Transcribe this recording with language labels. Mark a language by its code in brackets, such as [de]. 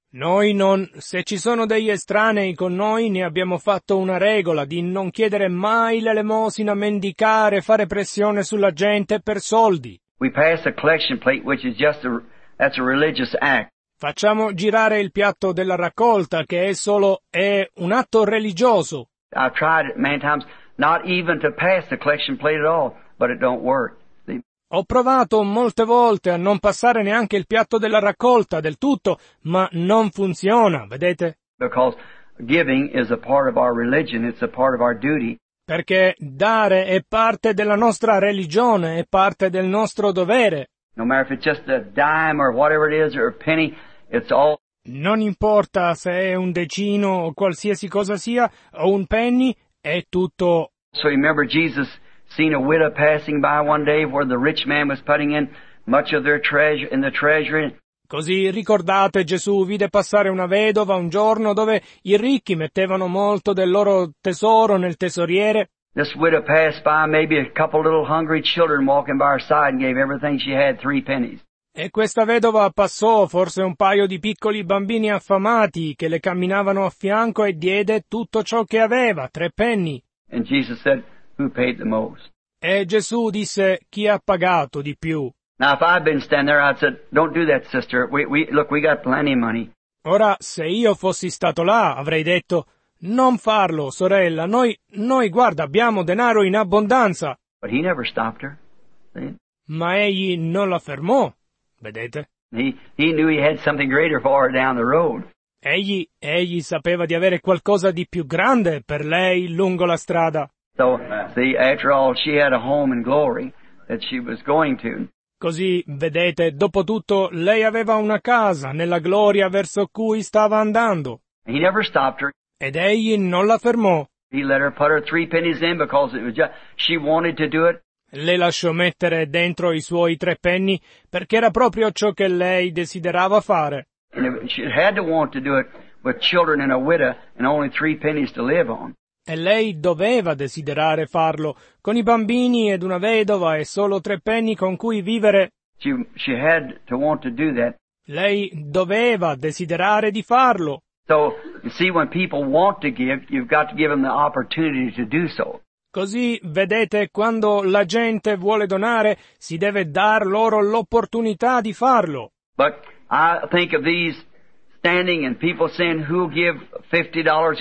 [it] Noi non, se ci sono degli estranei con noi, ne abbiamo fatto una regola di non chiedere mai l'elemosina, mendicare, fare pressione sulla gente per soldi. [en] We pass a collection plate, which is just that's a religious act. [it] Facciamo girare il piatto della raccolta, che è un atto religioso. [en] I've tried it many times, not even to pass the collection plate at all. But it don't work. [it] Ho provato molte volte a non passare neanche il piatto della raccolta del tutto, ma non funziona, vedete? [en] Because giving is a part of our religion, it's a part of our duty. [it] Perché dare è parte della nostra religione, è parte del nostro dovere. [en] No matter if it's just a dime or whatever it is or a penny, it's all. [it] Non importa se è un decino o qualsiasi cosa sia o un penny, è tutto. [en] So remember Jesus seen a widow passing by one day where the rich man was putting in much of their treasure in the treasury. [it] Così ricordate, Gesù vide passare una vedova un giorno dove i ricchi mettevano molto del loro tesoro nel tesoriere. [en] This widow passed by, maybe a couple little hungry children walking by her side, and gave everything she had, 3 pennies. [it] E questa vedova passò, forse un paio di piccoli bambini affamati che le camminavano a fianco, e diede tutto ciò che aveva, 3 penny. [en] And Jesus said, "Who paid the most?" [it] E Gesù disse, "Chi ha pagato di più?" [en] Now, if I'd been standing there, I'd said, "Don't do that, sister. We got plenty of money." [it] Ora, se io fossi stato là, avrei detto, "Non farlo, sorella. Noi guarda, abbiamo denaro in abbondanza." [en] But he never stopped her. See? [it] Ma egli non la fermò. Vedete? [en] He knew he had something greater for her down the road. [it] Egli sapeva di avere qualcosa di più grande per lei lungo la strada. [en] So, see, after all, she had a home in glory that she was going to. [it] Così, vedete, dopo tutto, lei aveva una casa nella gloria verso cui stava andando. [en] He never stopped her. [it] Ed egli non la fermò. [en] He let her put her 3 pennies in because it was just, she wanted to do it. [it] Le lasciò mettere dentro i suoi 3 penny perché era proprio ciò che lei desiderava fare. [en] And she had to want to do it with children and a widow and only 3 pennies to live on. [it] E lei doveva desiderare farlo con i bambini ed una vedova e solo 3 penny con cui vivere. [en] She had to want to do that. [it] Lei doveva desiderare di farlo. [en] So, you see, when people want to give, you've got to give them the opportunity to do so. [it] Così, vedete, quando la gente vuole donare, si deve dar loro l'opportunità di farlo. [en] But I think of these standing and people saying, "Who'll give $50?